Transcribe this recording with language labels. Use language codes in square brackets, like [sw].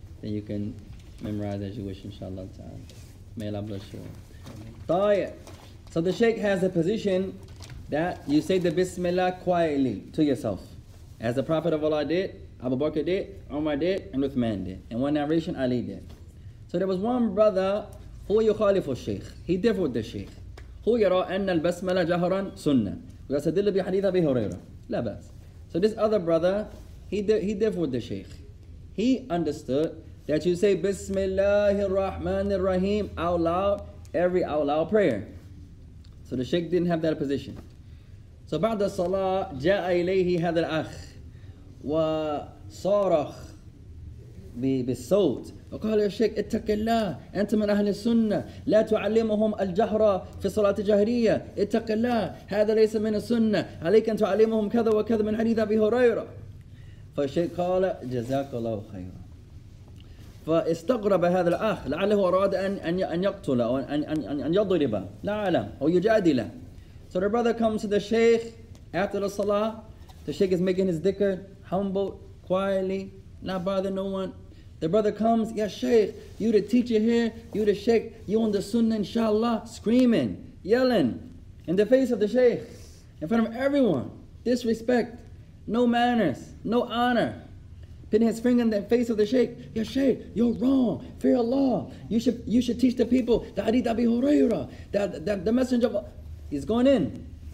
[en] Then you can memorize as you wish, inshallah ta'ala. May Allah bless you. So the Shaykh has a position that you say the Bismillah quietly to yourself. As the Prophet of Allah did, Abu Bakr did, Umar did, and Uthman did. And one narration, Ali did. So there was one brother who [ar] yukhalifu [en] Shaykh. He differed with the Shaykh. [ar] هو يرى أن البسملة جهرا سنة ويستدل بحديث أبي هريرة لا بأس. [en] So this other brother, he differed with the sheikh. He understood that you say [ar] بسم الله الرحمن الرحيم [en] out loud every out loud prayer. So the sheikh didn't have that position. [ar] So بعد الصلاة جاء إليه هذا الأخ وصارخ بالصوت وقال يا شيخ اتق الله أنت من أهل السنة لا تعلمهم الجهرة في صلاة الجهرية اتق الله هذا ليس من السنة عليك أن تعلمهم كذا وكذا من حديث أبي هريرة. فالشيخ قال جزاك الله خيرا. فاستغرب هذا الأخ لعله أراد أن يقتل أو أن يضرب لا أعلم أو يجادل. [en] So the brother comes to the sheikh after the salah. The sheikh is making his dhikr humble, quietly, not bother no one. The brother comes, yes, Shaykh, you the teacher here, you the Shaykh, you on the Sunnah, inshallah, screaming, yelling, in the face of the Shaykh, in front of everyone, disrespect, no manners, no honor, putting his finger in the face of the Shaykh, yes, Shaykh, you're wrong, fear Allah, you should teach the people, the Hadith Abi Hurairah, that the Messenger of Allah, he's going in.